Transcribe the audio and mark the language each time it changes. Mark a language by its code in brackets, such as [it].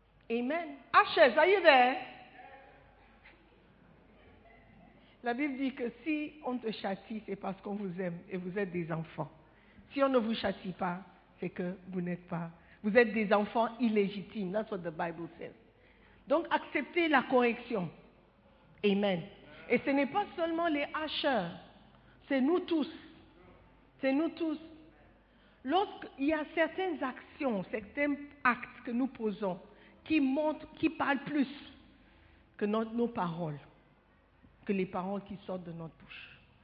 [en] Amen. Hachez, are you there? [fr] La Bible dit que si on te châtie, c'est parce qu'on vous aime et vous êtes des enfants. Si on ne vous châtie pas, c'est que vous n'êtes pas. Vous êtes des enfants illégitimes. [en] That's what the Bible says. [fr] Donc, acceptez la correction. Amen. Et ce n'est pas seulement les hacheurs, c'est nous tous. C'est nous tous. Lorsqu'il y a certaines actions, certains actes que nous posons, qui montrent, qui parlent plus que nos paroles, que les paroles qui sortent de notre bouche.